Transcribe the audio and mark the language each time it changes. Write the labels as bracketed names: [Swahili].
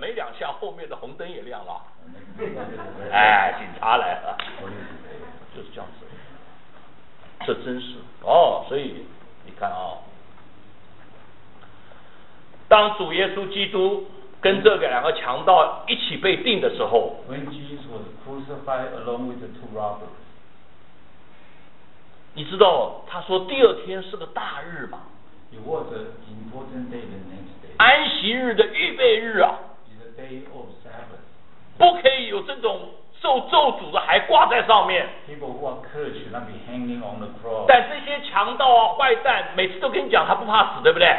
[Chinese] 没两下，后面的红灯也亮了。哎，警察来了。就是这样子。这真是哦，所以你看啊、哦，当主耶稣基督跟这个两个强盗一起被钉的时候 [English] when Jesus was crucified along with the two robbers， [Chinese] 你知道他说第二天是个大日吗？ [English] It was an important day the next day， [Chinese] 安息日的预备日啊， [English] It's a day of Sabbath， [Chinese] 不可以有这种受咒诅的还挂在上面。 [English] People who are cursed not be hanging on the cross， [Chinese] 但这些强盗啊坏蛋每次都跟你讲他不怕死，对不对？